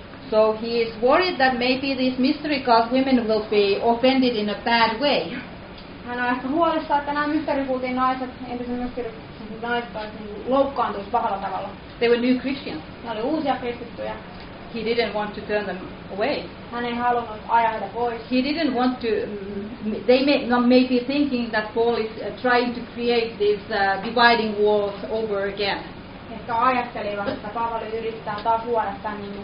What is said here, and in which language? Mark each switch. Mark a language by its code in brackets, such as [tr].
[en] So he is worried that maybe these mystery cult women will be offended in a bad way. [fi] Hän on ehkä huolissa, että nämä mysteerikultin naiset, entisen mysteerikultin naiset, loukkaantuisi pahalla tavalla. [en] They were new Christians. [fi] Ne oli uusia kristittyjä. [en] He didn't want to turn them away. [fi] Hän ei halunnut ajaa heitä pois. [en] He didn't want to, they may be thinking that Paul is trying to create this dividing walls over again. [fi] Ehkä ajattelivat, että Paavali yrittää taas luoda tämän